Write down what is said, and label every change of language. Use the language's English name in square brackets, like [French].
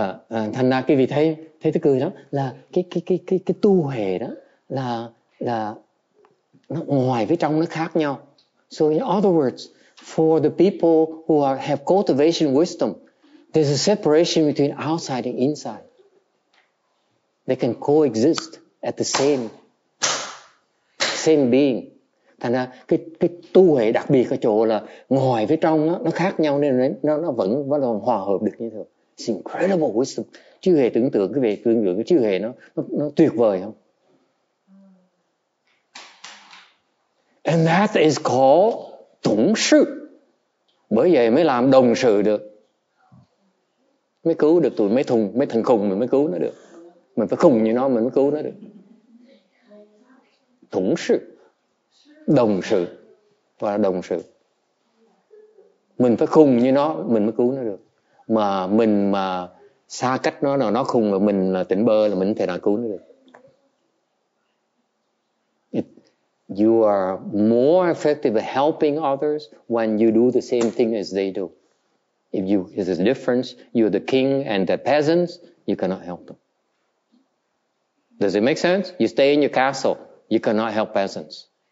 [Vietnamese] Thành ra cái vị thấy thấy tôi cười đó là cái tu huệ đó là nó ngoài với trong nó khác nhau. [English] So in other words, for the people who have cultivation wisdom, there's a separation between outside and inside. They can coexist at the same being. [Vietnamese] Thành ra cái tu huệ đặc biệt ở chỗ là ngoài với trong nó khác nhau nên nó vẫn bắt đầu hòa hợp được như thường. [English] It's incredible wisdom. [Vietnamese] Chưa hề tưởng tượng cái về tương lượng, chưa hề nó tuyệt vời không? [English] And that is called tổng sự. [Vietnamese] Bởi vậy mới làm đồng sự được. Mới cứu được tụi mấy thùng, mấy thằng khùng mình mới cứu nó được. Mình phải khùng như nó mình mới cứu nó được. Tổng sự. Đồng sự. Và đồng sự. Mình phải khùng như nó mình mới cứu nó được. Mà mình mà xa cách nó là nó khùng, mà mình là tỉnh bơ là mình không thể nào cứu nó được. [English] You are more effective at helping others when you do the same thing as they do. If you, if there's a difference, you're the king and the peasants, you cannot help them. Does it make sense? You stay in your castle, you cannot help peasants.